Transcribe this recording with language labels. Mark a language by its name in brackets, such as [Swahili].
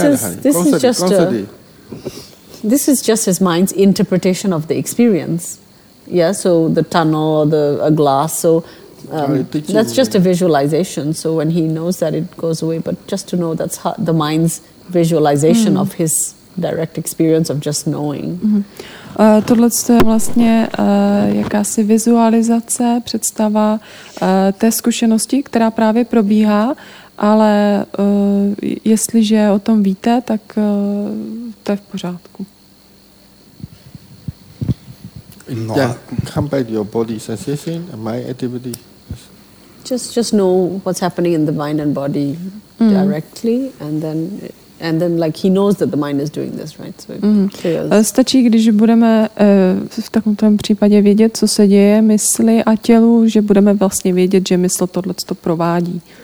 [English] this is just his mind's interpretation of the experience so the tunnel or a glass so that's just a visualization so when he knows that it goes away but just to know that's how the mind's visualization of his direct experience of just knowing. [Czech] Tohle je vlastně jakási vizualizace, představa té zkušenosti, která právě probíhá, ale jestliže o tom víte, tak to je v pořádku. [English] Come back to your body sensation and my activity. Just know what's happening in the mind and body directly and then like he knows that the mind is doing this right so [Czech] stačí když budeme v takomto případě vědět co se děje mysli a tělu že budeme vlastně vědět že mysl tohle to provádí